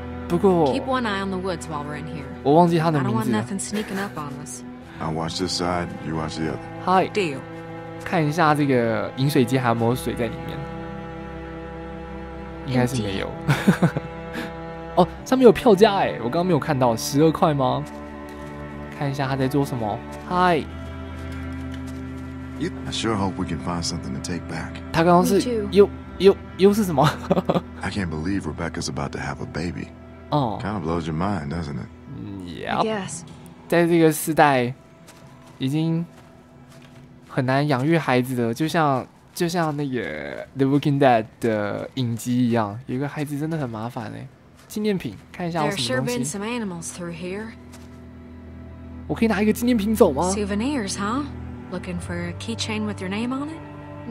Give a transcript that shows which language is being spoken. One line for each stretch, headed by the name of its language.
English: Keep one eye on the woods while we're in here.
Chinese: 我忘记他的名字。
English: I don't want nothing sneaking up on us. I'll watch this side, you watch the other. Hi. Deal.
Chinese: 看一下这个饮水机还有没有水在里面。应该是没有。哦，上面有票价哎，我刚刚没有看到，12块吗？看一下他在做什么。
English: Hi. I sure hope we can find something to take back.
Chinese: 他刚刚是又是什么
English: ？I can't believe Rebecca's about to have a baby. Oh, kind of blows your mind, doesn't it? Yeah. Yes.
Chinese: 在这个时代，已经很难养育孩子的，就像那个《The Walking Dead》的影集一样，有一个孩子真的很麻烦哎。纪念品，看一下有什么东西。我可以拿一个纪念品走吗
English: ？Souvenirs, huh? Looking for a keychain with your name on it?